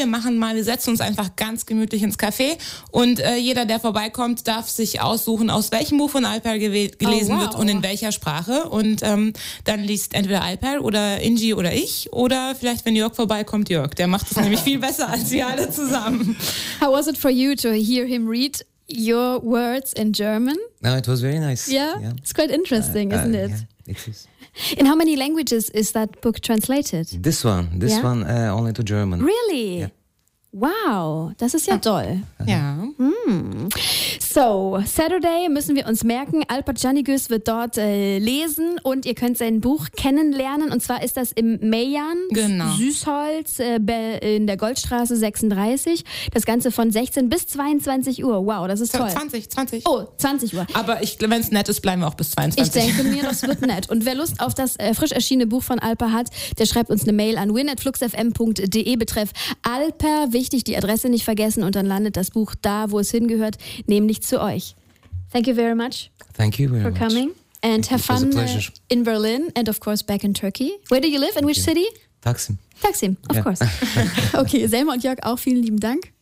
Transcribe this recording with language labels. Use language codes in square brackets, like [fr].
[de] Wir setzen uns einfach ganz gemütlich ins Café. Und jeder, der vorbeikommt, darf sich aussuchen, aus welchem Buch von Alper gelesen wird und in welcher Sprache. Und dann liest entweder Alper oder Ingi oder ich. Oder vielleicht, wenn Jörg vorbeikommt, Jörg. Der macht es nämlich viel besser als wir alle zusammen. [en] How was it for you to hear him read your words in German? No, it was very nice. Yeah, it's quite interesting, isn't it? Yeah, it is. In how many languages is that book translated? This one, only to German. Really? Yeah. [de] Wow, das ist ja toll. Ja. So, [en] Saturday [de] müssen wir uns merken. Alper Canigüz wird dort lesen und ihr könnt sein Buch kennenlernen. Und zwar ist das im Mayan, Süßholz, in der Goldstraße 36. Das Ganze von 16 bis 22 Uhr. Wow, das ist toll. 20 Uhr. Aber wenn es nett ist, bleiben wir auch bis 22. Ich denke mir, das wird nett. Und wer Lust auf das frisch erschienene Buch von Alper hat, der schreibt uns eine Mail an win@fluxfm.de, betreff Alper. Wichtig, die Adresse nicht vergessen und dann landet das Buch da, wo es hingehört, nämlich zu euch. [en] Thank you very much. Thank you very for coming much. And have fun in Berlin and of course back in Turkey. Where do you live? In which city? Taksim, of course. [de] Okay, Selma und Jörg, auch vielen lieben Dank.